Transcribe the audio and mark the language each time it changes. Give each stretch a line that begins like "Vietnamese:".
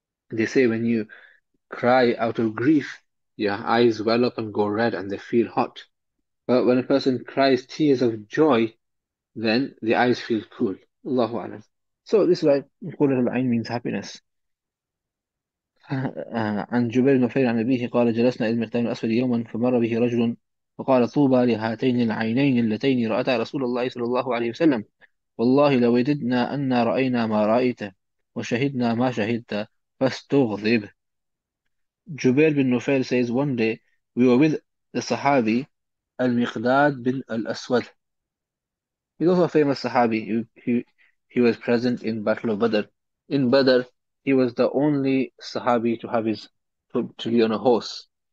English: They say when you cry out of grief, your eyes well up and go red and they feel hot. But when a person cries tears of joy, then the eyes feel cool. Allahu Alam. So this is why Qurratul Ayn means happiness.
Arabic: عن جبير بن نفير عن أبيه قال جلسنا إلى المقدام الأسفل يوما فمر به رجل فقال طوبى لهاتين العينين اللتين رأتا رسول الله صلى الله عليه وسلم والله لوددنا أن رأينا ما رأيت وشهدنا ما شهدت فاستغضب.
English: جبير بن نفير says one day we were with the Sahabi المقداد بن الأسود. He's also a famous Sahabi. He was present in Battle of Badr. In Badr, he was the only Sahabi to have his to be on a horse.